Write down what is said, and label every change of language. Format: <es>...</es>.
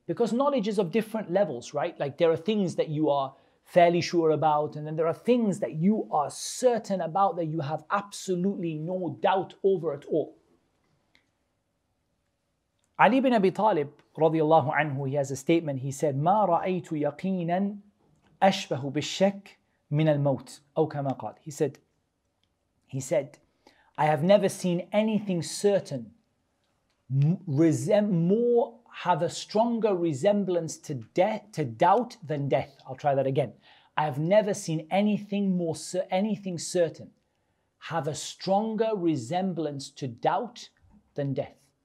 <en>Because knowledge is of different levels, right? Like there are things that you are fairly sure about, and then there are things that you are certain about that you have absolutely no doubt over at all. Ali ibn Abi Talib radiallahu anhu, he has a statement. He said,</en> <ar>ما رأيت يقينا أشبه بالشك من الموت أو كما قال.</ar> <en>He said, I have never seen anything certain more have a stronger resemblance to death, to doubt than death. I'll try that again. I have never seen anything certain have a stronger resemblance to doubt than death.</en>